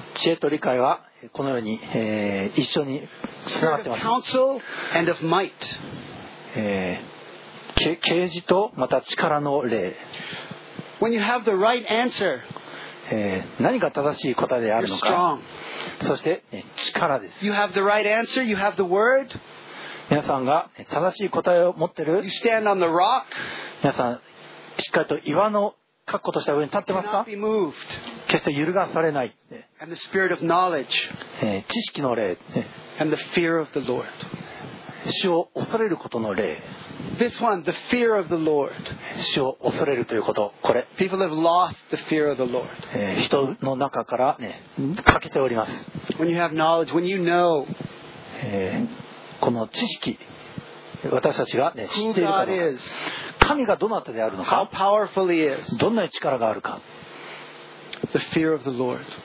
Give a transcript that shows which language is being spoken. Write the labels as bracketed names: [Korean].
[Japanese] 知恵と理解はこのように、一緒に繋がってます。 [English] Counsel and of might. [Japanese] 啓示とまた力の霊。 [English] When you have the right answer, [Japanese] 何が正しい答えであるのか。そして、力です。 [English] You have the right answer, you have the word. [Japanese] 皆さんが正しい答えを持ってる。 [English] You stand on the rock. [Japanese] 皆さんしっかりと岩の確固とした上に立ってますか。 [English] You cannot be moved. [Japanese] 決して揺るがされない。 [English] And the spirit of knowledge. [Japanese] 知識の霊。 [English] And the fear of the Lord. [Japanese] 主を恐れることの霊。 [English] This one, the fear of the Lord. [Japanese] 主を恐れるということ、これ。 [English] People have lost the fear of the Lord. [Japanese] 人の中からね、欠けております。 [English] When you have knowledge, when you know. [Japanese] この知識、私たちが、ね、知っているかどうか、神がどなたであるのか、どんな力があるか、 [English] the fear of the Lord.